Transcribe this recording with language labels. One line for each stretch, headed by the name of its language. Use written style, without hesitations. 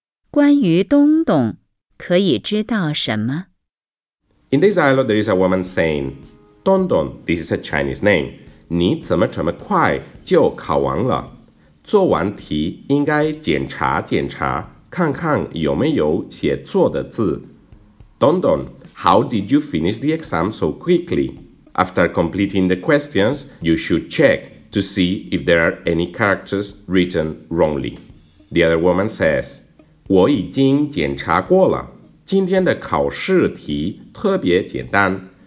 Chinese: 关于东东，可以知道什么？
English: In this dialogue, there is a woman saying,东东 this is a Chinese name,
Chinese: 你怎么这么快就考完了？做完题应该检查检查，看看有没有写错的字。
English: 东东 how did you finish the exam so quickly? After completing the questions, you should check to see if there are any characters written wrongly. The other woman says,
Chinese: 我已经检查过了，今天的考试题特别简单。